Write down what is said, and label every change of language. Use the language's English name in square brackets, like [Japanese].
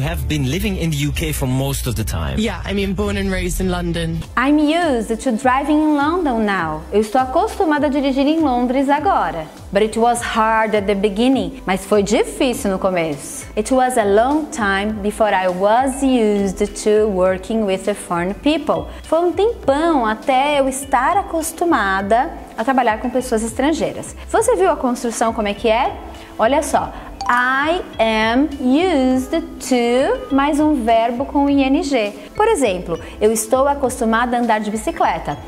[English] You have been living in the UK for most of the time. Yeah, I mean born and raised in London. I'm used to driving in London now. [Portuguese] Eu estou acostumada a dirigir em Londres agora. [English] But it was hard at the beginning. [Portuguese] Mas foi difícil no começo. [English] It was a long time before I was used to working with the foreign people. [Portuguese] Foi um tempão até eu estar acostumada a trabalhar com pessoas estrangeiras. Você viu a construção como é que é? Olha só. [English] I am used to [Portuguese] mais um verbo com ing. Por exemplo, eu estou acostumada a andar de bicicleta.